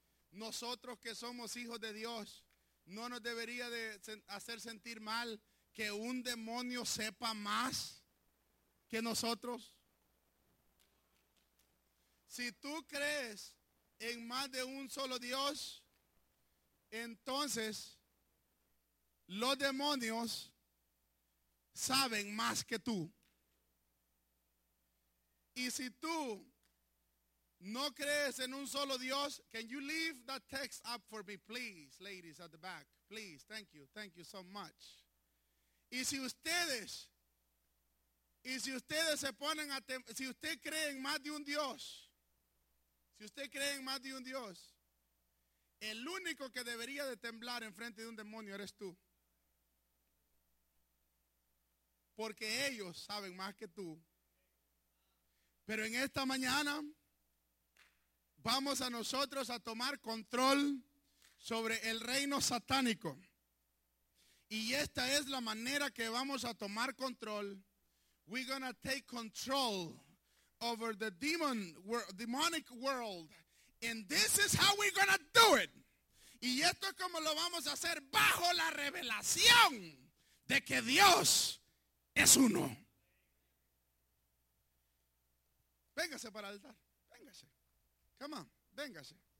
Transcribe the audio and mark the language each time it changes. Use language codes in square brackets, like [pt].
[es] Nosotros que somos hijos de Dios, no nos debería de hacer sentir mal que un demonio sepa más que nosotros. Si tú crees en más de un solo Dios, entonces los demonios saben más que tú. Y si tú no crees en un solo Dios, [en] can you leave that text up for me, please, ladies at the back, please, thank you so much. [es] Y si ustedes se ponen a si usted cree en más de un Dios, si usted cree en más de un Dios, el único que debería de temblar en frente de un demonio eres tú. Porque ellos saben más que tú. Pero en esta mañana vamos a nosotros a tomar control sobre el reino satánico. Y esta es la manera que vamos a tomar control. [en] We're gonna take control over the demonic world, and this is how we're gonna do it. [es] Y esto es como lo vamos a hacer, bajo la revelación de que Dios es uno. Véngase para el altar, véngase, [en] come on, [es] véngase.